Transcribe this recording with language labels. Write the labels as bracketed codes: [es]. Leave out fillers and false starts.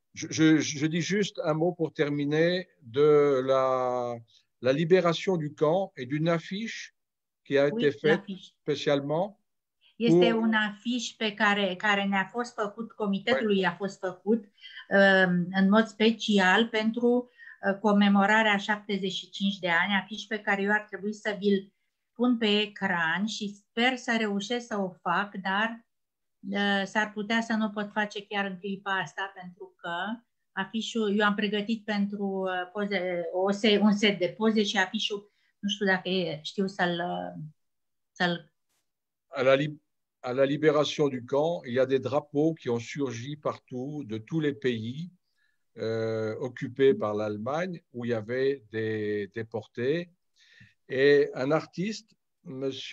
[fr] Je dis juste un mot pour terminer de la libération du camp et d'une affiche qui a été faite spécialement. [ro] Este [fr] une affiche [ro] pe care ne-a fost făcut, comitetului a fost făcut în mod special pentru comemorarea 75 de ani, afiș pe care eu ar trebui să vi-l pun pe ecran și sper să reușesc să o fac, dar s-ar putea să nu pot face chiar în clipa asta, pentru că afișul, eu am pregătit pentru poze, un set de poze și afișul, nu știu dacă știu să-l... [fr] À la libération du camp, il y a des drapeaux qui ont surgi partout, de tous les pays occupés par l'Allemagne, où il y avait des déportés. Et un artiste, M.